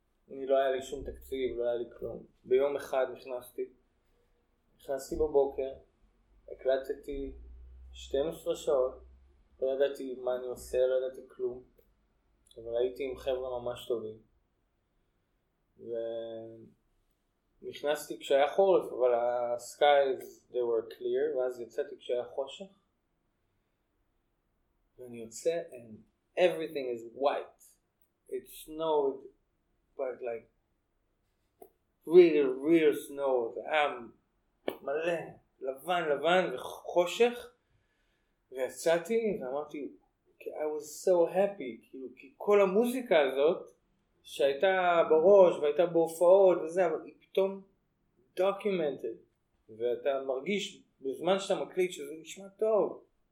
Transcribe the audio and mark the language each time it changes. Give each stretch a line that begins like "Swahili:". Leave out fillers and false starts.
Hebrew: אני לא היה לי שום תקציב, לא היה לי כלום. ביום אחד נכנסתי בבוקר, הקלטתי 12 שעות, לא ידעתי מה אני עושה, לא ידעתי כלום, אבל הייתי עם חבר'ה ממש טובים. ונכנסתי כשהיה חורף, אבל ה-
English: skies, they were clear,
Hebrew: ואז יצאתי כשהיה חושך. ואני יוצא,
English: and everything is white. It snowed, but like, real, real snow.
Hebrew: זה היה מלא, לבן, לבן, וחושך. ויצאתי, ואמרתי,
English: okay, I was so happy,
Hebrew: כאילו, כי כל המוזיקה הזאת, שהייתה בראש והייתה בהופעות וזה, אבל היא פתאום documented, ואתה מרגיש בזמן שאתה מקליט שזה נשמע טוב.